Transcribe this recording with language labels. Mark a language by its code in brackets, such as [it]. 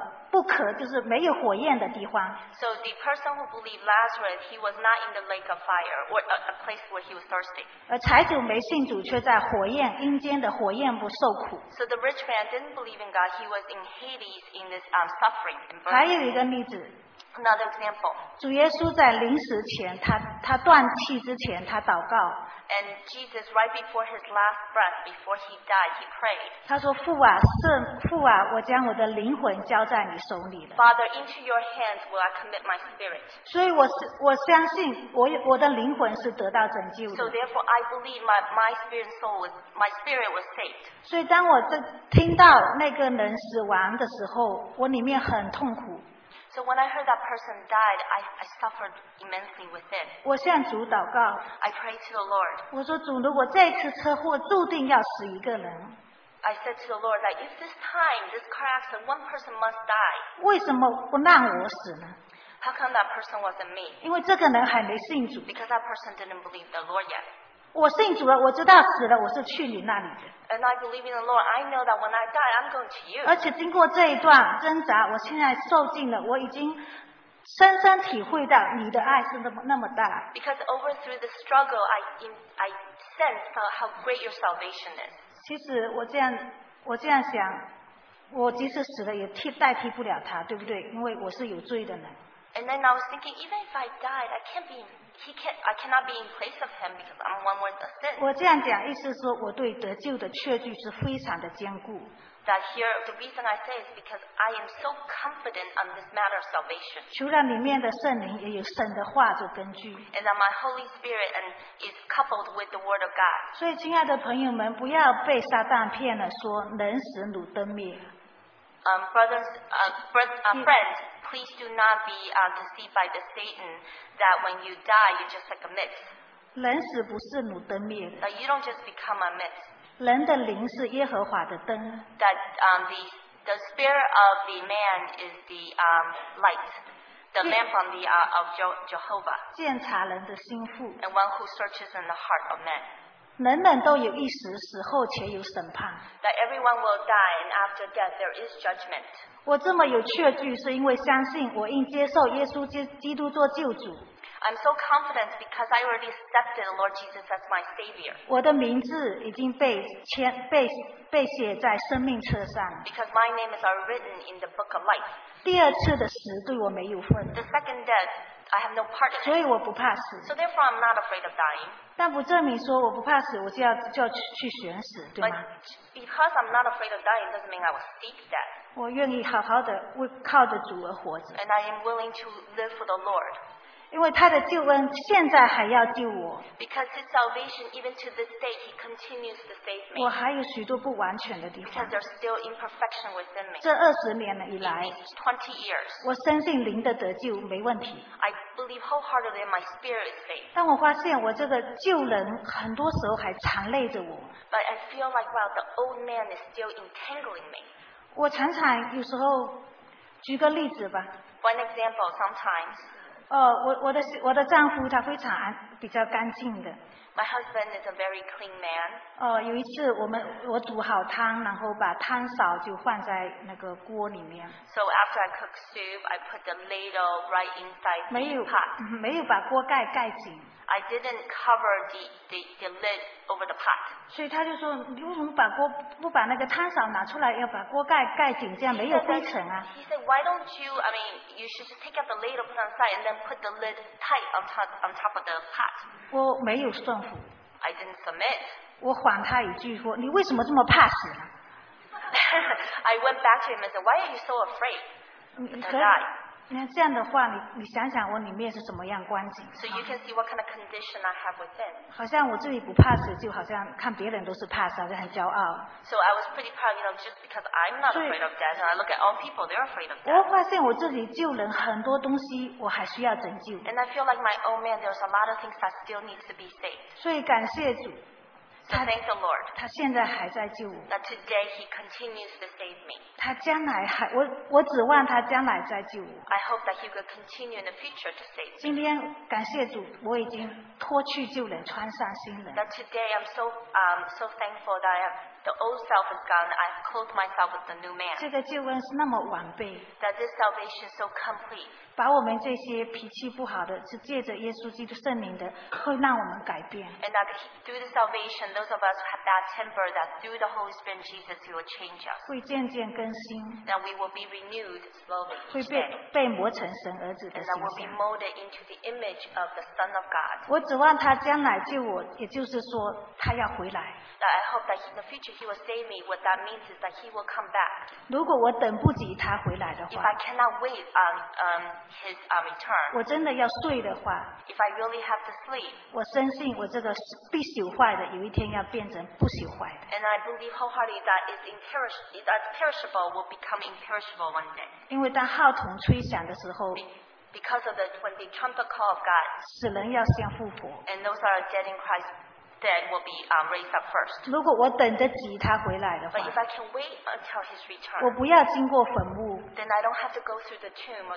[zh] 不可就是没有火焰的地方。 [en] So the person who believed Lazarus, he was not in the lake of fire or a place where he was thirsty. [zh] 而财主没信主，却在火焰阴间的火焰不受苦。 [en] So the rich man didn't believe in God, he was in Hades in this suffering. [zh] 还有一个例子。 [en] Another example. [zh] 主耶稣在临死前，他断气之前，他祷告。 [en] And Jesus, right before his last breath, before he died, he prayed. [zh] 他说：“父啊，我将我的灵魂交在你手里了。” [en] Father, into your hands will I commit my spirit. [zh] 所以我相信我的灵魂是得到拯救的。 [en] So therefore, I believe my spirit soul was my spirit was saved. [zh] 所以当我听到那个人死亡的时候，我里面很痛苦。 [en] So So when I heard that person died, I suffered immensely with it. [zh] 我向主祷告。 [en] I prayed to the Lord. [zh] 我说主，如果这次车祸注定要死一个人。 [en] I said to the Lord that if this time, this car accident, one person must die. [zh] 为什么不让我死呢？ [en] How come that person wasn't me? [zh] 因为这个人还没信主。 [en] Because that person didn't believe the Lord yet. [zh] 我信主了，我知道死了，我是去你那里的。 [en] And I believe in the Lord. I know that when I die, I'm going to you. [zh] 而且经过这一段挣扎，我现在受尽了，我已经深深体会到你的爱是那么大。 [en] Because over through the struggle, I sense how great your salvation is. [zh] 其实我这样想，我即使死了也代替不了他，对不对？因为我是有罪的人。 [en] And then I was thinking, even if I died, I cannot be in place of him because I'm one with the sin. [zh] 我这样讲，意思说我对得救的确据是非常的坚固。 [en] That here, the reason I say is because I am so confident on this matter of salvation. [zh] 除了里面的圣灵，也有神的话做根据。 [en] And that my Holy Spirit and is coupled with the Word of God. [zh] 所以，亲爱的朋友们，不要被撒旦骗了，说能死如灯灭。 [en] Friends, please do not be deceived by the Satan that when you die, you're just like a myth. [zh] 人死不是如灯灭。 [en] That you don't just become a myth. [zh] 人的灵是耶和华的灯。 [en] That the spirit of the man is the light, the lamp on the of Jehovah. [zh] 鉴察人的心腹。 [en] And one who searches in the heart of man. [zh] 人人都有一死，死后且有审判。 [en] That everyone will die, and after death there is judgment. [zh] 我这么有确据，是因为相信我应接受耶稣基督做救主。 [en] I'm so confident because I already accepted the Lord Jesus as my Savior. [zh] 我的名字已经被写在生命册上。 [en] Because my name is already written in the book of life. [zh] 第二次的死对我没有份。 [en] The second death. I have no part in it. [zh] 所以我不怕死。 [en] So therefore, I'm not afraid of dying. [zh] 但不证明说我不怕死，我就要去选死，对吗？ [en] But because I'm not afraid of dying, doesn't mean I will seek death. [zh] 我愿意好好的为靠着主而活着。 [en] And I am willing to live for the Lord. [zh] 因为他的救恩现在还要救我。 [en] Because his salvation, even to this day, he continues to save me. [zh] 我还有许多不完全的地方。 [en] Because there's still imperfection within me. [zh] 这二十年以来， [en] twenty years, [zh] 我深信灵的得救没问题。 [en] I believe wholeheartedly my spirit is saved. [zh] 但我发现我这个旧人很多时候还缠累着我。 [en] But I feel like while the old man is still entangling me. [zh] 我常常有时候，举个例子吧。 [en] One example, sometimes. [zh] 我的丈夫他非常比较干净的。 [en] My husband is a very clean man. [zh] 有一次我煮好汤，然后把汤勺就放在那个锅里面。 [en] So after I cook soup, I put the ladle right inside the pot. [zh] 没有把锅盖盖紧。 [en] I didn't cover the lid over the pot. [zh] 所以他就说，你为什么不把那个汤勺拿出来，要把锅盖盖紧，这样没有灰尘啊 [en] ？He said, "Why don't you? I mean, you should just take out the ladle from the side and then put the lid tight on top of the pot." [zh] 我没有顺服。 [en] I didn't submit. [zh] 我还他一句说，你为什么这么怕死呢 [en] ？I went back to him and said, "Why are you so afraid to die?" [zh] 那这样的话，你想想我里面是什么样光景。 [en] So you can see what kind of condition I have within. [zh] 好像我自己不怕死，就好像看别人都是怕死，好像很骄傲。 [en] So I was pretty proud, you know, just because I'm not afraid of death, and I look at all people, they're afraid of death. [zh] 我发现我自己救人很多东西，我还需要拯救。 [en] And I feel like my old man, there's a lot of things that still needs to be saved. [zh] 所以感谢主。 [en] So thank the Lord. [zh] 他现在还在救我。 [en] That today he continues to save me. [zh] 他将来还我指望他将来再救我。 [en] I hope that he will continue in the future to save me. [zh] 今天感谢主，我已经脱去旧人，穿上新人。 [en] That today I'm so thankful that I have the old self is gone. I've clothed myself with the new man. [zh] 这个救恩是那么完备。 [en] That this salvation is so complete. [zh] 把我们这些脾气不好的，是借着耶稣基督圣灵的，会让我们改变。 [en] And that through the salvation. Those of us who have bad temper, that through the Holy Spirit and Jesus, He will change us. [zh] 会渐渐更新。 [en] That we will be renewed slowly. [zh] 会被磨成神儿子的形象。 [en] And that we will be molded into the image of the Son of God. [zh] 我指望他将来救我，也就是说他要回来。 [en] That I hope that in the future. future he will save me, what that means is that he will come back. [zh] 如果我等不及他回来的话, [en] if I cannot wait his return, [zh] 我真的要睡的话, [en] if I really have to sleep, [zh] 我深信我这个必朽坏的有一天要变成不朽坏的。 [en] And I believe wholeheartedly that that's perishable will become imperishable one day. [zh] 因为当号筒吹响的时候, [en] because of when the trumpet call of God, [zh] 死人要先复活, [en] and those are dead in Christ. Dead will be raised up first. [zh] 如果我等得及他回来的话, [en] but if I can wait until his return, [zh] 我不要经过坟墓, [en] then I don't have to go through the tomb.